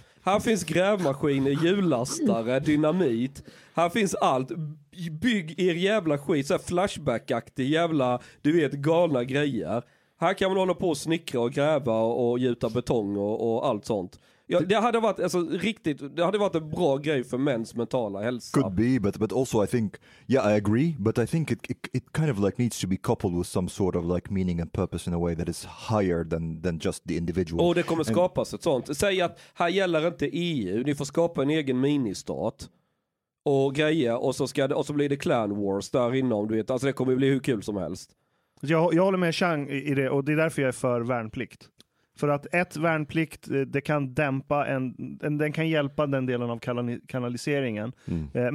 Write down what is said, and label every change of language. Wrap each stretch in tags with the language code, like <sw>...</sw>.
<sv>Här finns grävmaskiner, hjullastare, dynamit. Här finns allt. Bygg er jävla skit. Så här flashback-aktig jävla, du vet, galna grejer. Här kan man hålla på och snickra och gräva och gjuta betong och allt sånt. Ja, det hade varit alltså, riktigt, det hade varit en bra grej för mäns mentala hälsa.</sv> <en>Could be, but also I think, yeah, I agree, but I think it kind of like needs to be coupled with some sort of like meaning and purpose in a way that is higher than just the individual.</en> <sv>Och det kommer skapas ett sånt. Säg att här gäller inte EU, ni får skapa en egen ministat och grejer och så blir det clan wars där inom, du vet. Alltså det kommer bli hur kul som helst. Jag håller med Chang i det och det är därför jag är för värnplikt. För att ett värnplikt, det kan dämpa den kan hjälpa den delen av kanaliseringen. Mm.</sv>